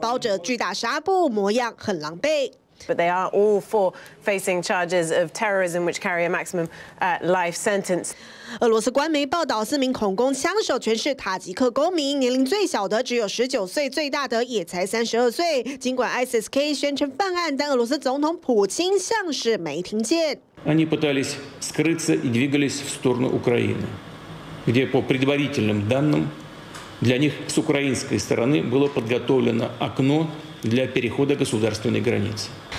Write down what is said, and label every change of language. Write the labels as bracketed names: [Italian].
[Chinese] 男子一脸虚弱，坐在轮椅上出庭，他就是犯下莫斯科音乐厅恐攻的枪手之一。另外三名嫌犯也个个鼻青脸肿，其中一人左脸颊肿了一个大包，另一人耳朵上也包着巨大纱布，模样很狼狈。 [English] But they are all four facing charges of terrorism, which carry a maximum life sentence. [Chinese] 俄罗斯官媒报道，四名恐攻枪手全是塔吉克公民，年龄最小的只有19岁，最大的也才32岁。尽管 ISIS-K 宣称犯案，但俄罗斯总统普京像是没听见。 [Russian] Они пытались скрыться и двигались в сторону Украины, где по предварительным данным для них с украинской стороны было подготовлено окно для перехода государственной границы.